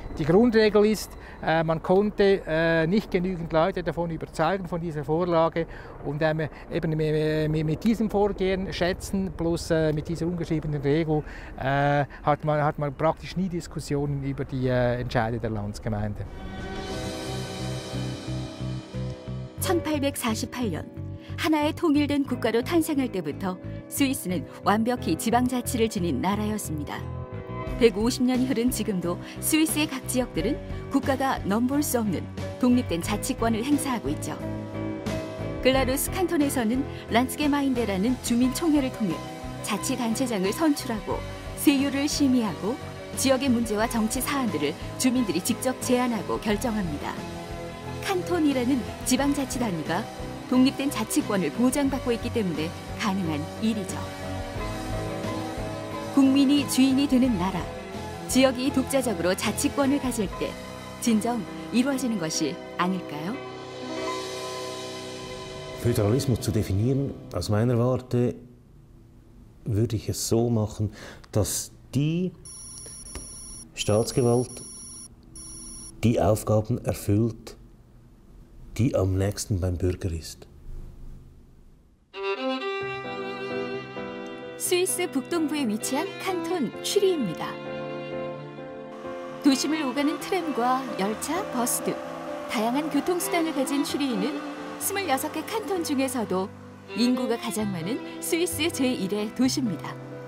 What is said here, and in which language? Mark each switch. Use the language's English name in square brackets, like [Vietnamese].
[German] Die Grundregel ist, man konnte nicht genügend Leute davon überzeugen, von dieser Vorlage. Und eben mit diesem Vorgehen schätzen, plus mit dieser ungeschriebenen Regel, hat man praktisch nie Diskussionen über die Entscheide der Landsgemeinde. [Korean] 1848년, 하나의 통일된 국가로 탄생할 때부터 스위스는 완벽히 지방자치를 지닌 나라였습니다. 150년이 흐른 지금도 스위스의 각 지역들은 국가가 넘볼 수 없는 독립된 자치권을 행사하고 있죠. 글라루스 칸톤에서는 란츠게마인데라는 주민총회를 통해 자치단체장을 선출하고 세율을 심의하고 지역의 문제와 정치 사안들을 주민들이 직접 제안하고 결정합니다. 칸톤이라는 지방자치 단위가 독립된 자치권을 보장받고 있기 때문에 가능한 일이죠. 국민이 주인이 되는 나라, 지역이 독자적으로 자치권을 가질 때 진정 이루어지는 것이 아닐까요? [German] Föderalismus zu definieren, aus meiner Warte würde ich es so machen, dass die Staatsgewalt die Aufgaben erfüllt, die am nächsten beim Bürger ist. [Korean] 스위스 북동부에 위치한 칸톤 취리입니다. 도심을 오가는 트램과 열차, 버스 등 다양한 교통수단을 가진 취리는 26개 칸톤 중에서도 인구가 가장 많은 스위스 제1의 도시입니다.